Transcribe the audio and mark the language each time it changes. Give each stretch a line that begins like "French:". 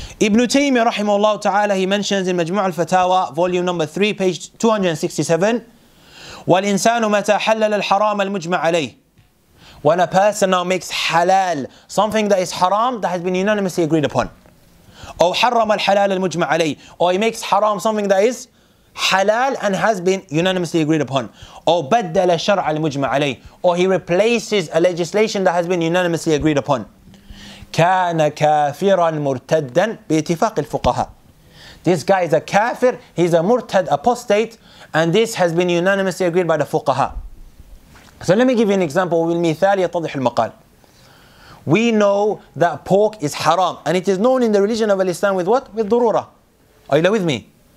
English: Ibn Taymiyyah رحمه الله تعالى, he mentions in Majmu' al-Fatawa, volume number 3, page 267,
Arabic: وَالْإِنسَانُ مَتَى حَلَّلَ الْحَرَامَ الْمُجْمَعَ عَلَيْهِ.
English: When a person now makes halal, something that is haram, that has been unanimously agreed upon.
Arabic: أو حَرَّمَ الْحَلَالَ الْمُجْمَعَ عَلَيْهِ.
English: Or he makes haram something that is halal and has been unanimously agreed upon. Or
Arabic: بدل شرع المجمع عليه.
English: Or he replaces a legislation that has been unanimously agreed upon.
Arabic: كان كافرا مرتدا باتفاق الفقهاء.
English: This guy is a kafir, he's a murtad, apostate, and this has been unanimously agreed by the fuqaha. So let me give you an example.
Arabic: بالمثال يتضح المقال.
English: We know that pork is haram, and it is known in the religion of Islam with what? With durura. Are you with me?